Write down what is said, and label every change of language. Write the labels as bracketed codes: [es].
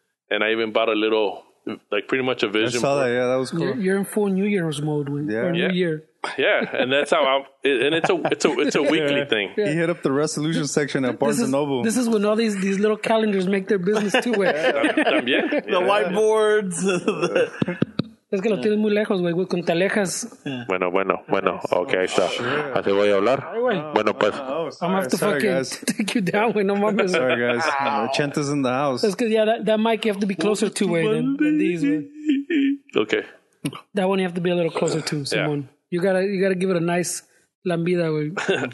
[en] And I even bought a little, like, pretty much a vision. I saw that. Yeah. That was cool. You're in full New Year's mode. New Year. Yeah, and that's how it's a weekly thing. Yeah. He hit up the resolution section at Barnes & Noble. This is when all these little calendars make their business too. Yeah. The whiteboards. [es] Es que lo tienes muy lejos, güey, con talejas. Bueno, okay, oh, está. Sure. Así voy a hablar. Bueno, pues. [en] I'm going to have to take you down, güey, [es] no mames. [en] Sorry, guys. No, Chente's in the house. [es] Es que, [en] yeah, that mic you have to be closer to, güey, than these, güey. Okay. That one you have to be a little closer to, Simone. Yeah. You gotta give it a nice [es] lambida, [en] güey.